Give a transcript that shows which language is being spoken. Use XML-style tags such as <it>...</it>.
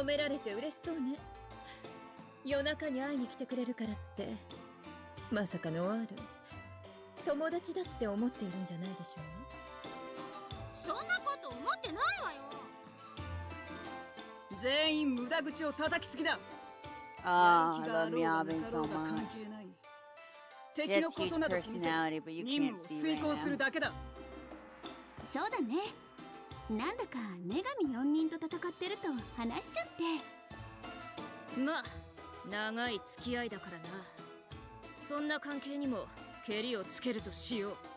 <ja>褒められて嬉しそうね。夜中に会いに来てくれるからって。まさかノアール。友達だって思っているんじゃないでしょう。そんなこと思ってないわよ。全員無駄口を叩きすぎだ。</ja> <en>I love Yavin so much. She has huge personality, but you can't see right now.</en> <ja>そうだね。なんだか女神4人と戦ってると話しちゃって。まあ、長い付き合いだからな。そんな関係にも、蹴りをつけるとしよう。</ja>